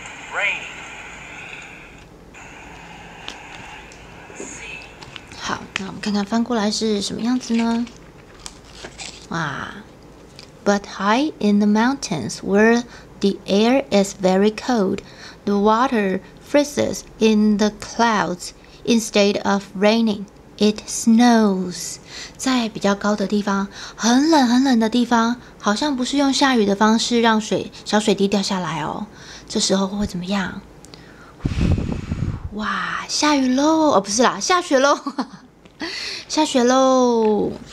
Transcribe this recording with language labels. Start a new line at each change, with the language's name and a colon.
English: Rain, sea.
Chinese: 好，那我们看看翻过来是什么样子呢？哇！
English: But high in the mountains, where the air is very cold, the water freezes in the clouds. Instead of raining, it snows.
Chinese: 在比较高的地方，很冷很冷的地方，好像不是用下雨的方式让水小水滴掉下来哦。这时候会怎么样？哇，下雨喽！哦，不是啦，下雪喽！下雪喽！